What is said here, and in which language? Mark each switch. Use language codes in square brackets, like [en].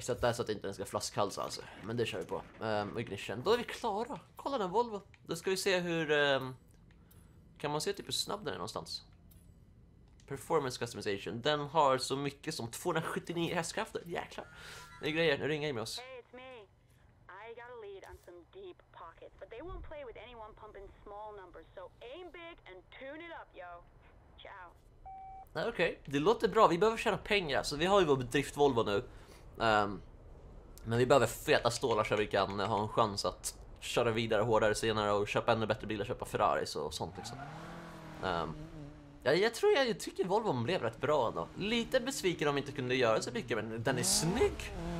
[sv] Så att det är så att inte den ska flaskhalsa alltså. Men det kör vi på. Ignition. Då är vi klara. Kolla den Volvo. Då ska vi se hur... kan man se typ hur snabb den är någonstans? [en] Performance customization. [sv] Den har så mycket som 279 hästkrafter. Jäklar. Det är grejer. Nu ringer jag med oss. [en] Hey, it's me. I got a lead on some deep pockets, but they won't play with anyone pumping small numbers. So aim big and tune it up, yo. Ciao. [sv] Okej. Det låter bra. Vi behöver tjäna pengar. Så vi har ju vår drift Volvo nu. Men vi behöver feta stålar så vi kan ha en chans att köra vidare hårdare senare och köpa ännu bättre bilar, köpa Ferrari och sånt liksom. Jag tycker Volvo blev rätt bra ändå. Lite besviken om inte kunde göra så mycket, men den är snygg.